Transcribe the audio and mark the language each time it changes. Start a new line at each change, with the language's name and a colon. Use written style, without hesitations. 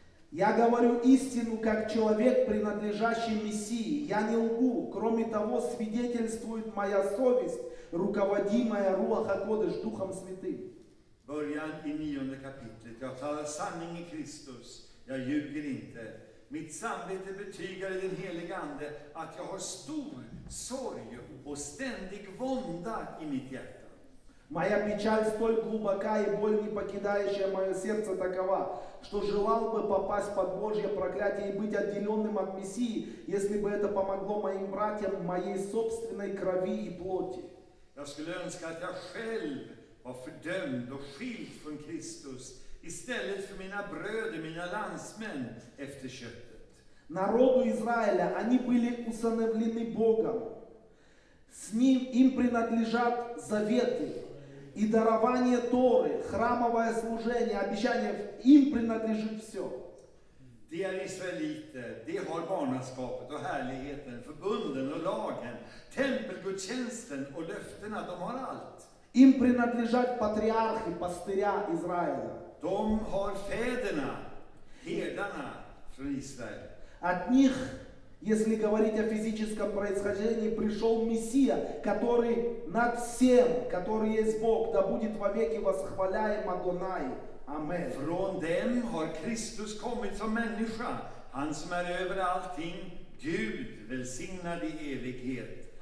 Russian: Я говорю истину, как человек, принадлежащий Мессии. Я не лгу. Кроме того, свидетельствует моя совесть, руководимая Руаха Кодыш, Духом Святым.
Swedish: Början i 9 kapitlet. Jag talar sanning i Kristus. Jag ljuger inte. Mitt samvete betygar i den heliga ande att jag har stor sorg och ständig vånda i mitt hjärta.
Russian: Моя печаль столь глубока и боль не покидающая мое сердце такова, что желал бы попасть под Божье проклятие и быть отделенным от Мессии, если бы это помогло моим братьям моей собственной крови и плоти.
Swedish: Jag skulle önska att jag själv var fördömd och skild från Kristus istället för mina bröder, mina landsmän efter köttet.
Russian: Народу Израиля, они были усыновлены Богом. С ним им принадлежат заветы и дарование Торы, храмовое служение, обещание. Им принадлежит все.
Swedish: De är israeliter, de har barnaskapet och härligheten, förbunden och lagen, tempelgudstjänsten och löftena, de har allt.
Russian: Им принадлежат патриархи, пастыря Израиля.
Swedish: De har fäderna, herdarna från Israel.
Russian: От них, если говорить о физическом происхождении, пришел Мессия, который над всем, который есть Бог, да будет вовеки восхваляем Адонай. Амен.
Swedish: Från dem har Kristus kommit som människa, han som är över allting, Gud, välsignad i evighet.